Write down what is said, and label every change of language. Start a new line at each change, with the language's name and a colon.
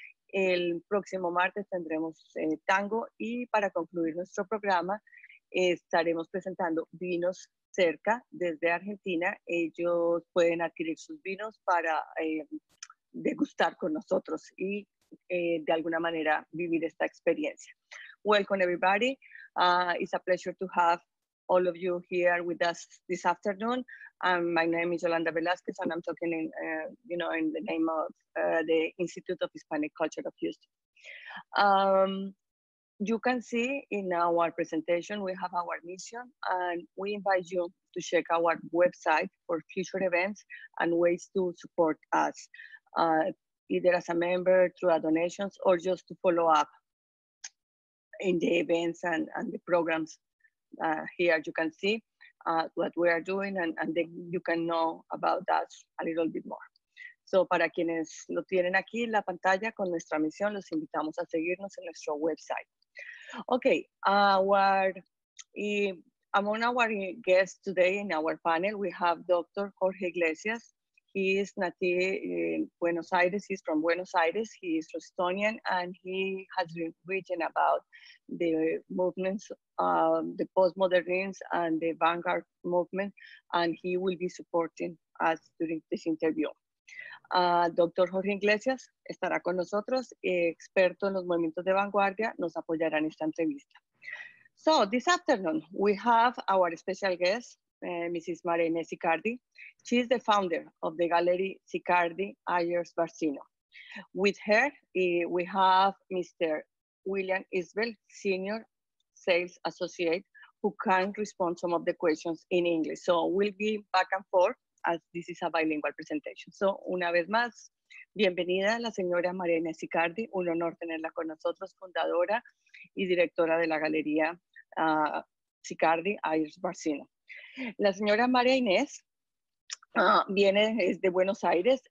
Spanish: El próximo martes tendremos tango y para concluir nuestro programa estaremos presentando vinos cerca desde Argentina. Ellos pueden adquirir sus vinos para degustar con nosotros y de alguna manera vivir esta experiencia.
English: Welcome everybody. It's a pleasure to have all of you here with us this afternoon. My name is Yolanda Velázquez, and I'm talking in the name of the Institute of Hispanic Culture of Houston. You can see in our presentation, we have our mission, and we invite you to check our website for future events and ways to support us, either as a member through our donations or just to follow up in the events and the programs. Here you can see what we are doing and then you can know about us a little bit more.
Spanish: So para quienes lo tienen aquí en la pantalla con nuestra misión, los invitamos a seguirnos en nuestro website.
English: Okay, among our guests today in our panel, we have Dr. Jorge Iglesias. He is native in Buenos Aires. He's from Buenos Aires. He is Estonian, and he has been reading about the movements, the postmodernism and the vanguard movement, and he will be supporting us during this interview. Dr.
Spanish: Jorge Iglesias estará con nosotros, experto en los movimientos de vanguardia, nos apoyará en esta entrevista.
English: So this afternoon, we have our special guest, Mrs. Marene Sicardi. She is the founder of the gallery Sicardi Ayers Barcino. With her, we have Mr. William Isbell, Senior Sales Associate, who can respond some of the questions in English. So we'll be back and forth as this is a bilingual presentation.
Spanish: So una vez más, bienvenida la señora Marene Sicardi. Un honor tenerla con nosotros, fundadora y directora de la galería Sicardi Ayers Barcino. La señora María Inés viene desde Buenos Aires.